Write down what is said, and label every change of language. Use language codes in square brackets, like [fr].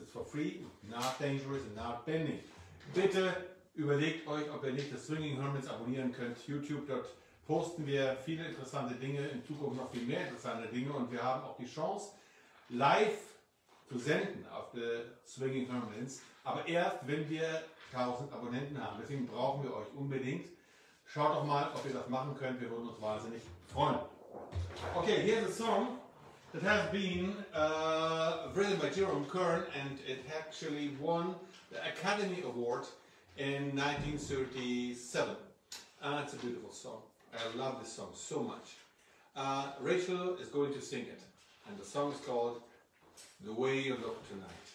[en] It's for free, not dangerous and not bending. [de] Bitte überlegt euch, ob ihr nicht The Swinging Hermits abonnieren könnt. YouTube, dort posten wir viele interessante Dinge, in Zukunft noch viel mehr interessante Dinge. Und wir haben auch die Chance, live zu senden auf The Swinging Hermits. Aber erst, wenn wir 1000 Abonnenten haben. Deswegen brauchen wir euch unbedingt. Schaut doch mal, ob ihr das machen könnt. Wir würden uns wahnsinnig freuen. Okay, here's a song. [en] It has been written by Jerome Kern, and it actually won the Academy Award in 1937. It's a beautiful song. I love this song so much. Rachel is going to sing it, and the song is called The Way You Look Tonight.